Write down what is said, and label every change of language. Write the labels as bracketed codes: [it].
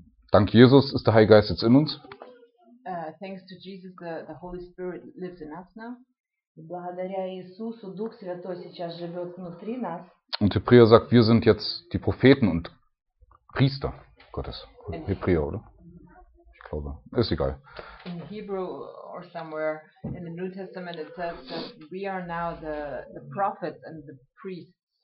[de] Dank Jesus ist der Heilige Geist jetzt in uns. [en] Thanks to Jesus, the Holy Spirit lives in us now. [ru] Благодаря Иисусу Дух Святой сейчас живет внутри нас. [de] Und Hebräer sagt, wir sind jetzt die Propheten und Priester Gottes. Hebräer, oder? Ich glaube, ist egal. [en] In Hebrew or somewhere in the New Testament it says that we are now the prophets and the priests.